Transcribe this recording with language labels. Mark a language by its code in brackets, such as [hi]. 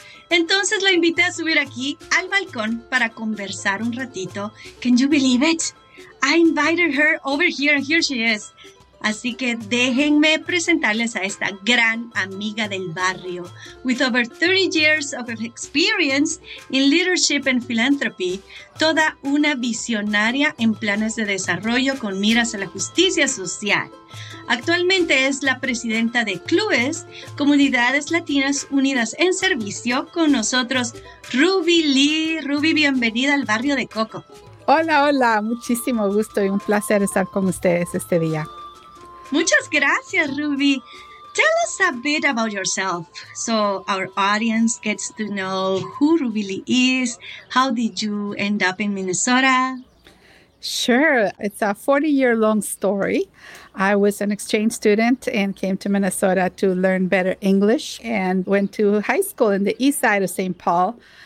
[es] Entonces la invité a subir aquí al balcón para conversar un ratito. [en] Can you believe it? I invited her over here, and here she is. [es] Así que déjenme presentarles a esta gran amiga del barrio. [en] With over 30 years of experience in leadership and philanthropy, [es] toda una visionaria en planes de desarrollo con miras a la justicia social. Actualmente es la presidenta de CLUES, Comunidades Latinas Unidas en Servicio, con nosotros Ruby Lee. Ruby, bienvenida al barrio de Coco. Hola, hola. Muchísimo gusto y un placer estar con ustedes este día. Muchas gracias, Ruby. [en] Tell us a bit about yourself so our audience gets to know who Ruby Lee is. How did you end up in Minnesota? Sure. It's a 40-year-long story. I was an exchange student and came to Minnesota to learn better English and went to high school in the east side of St. Paul.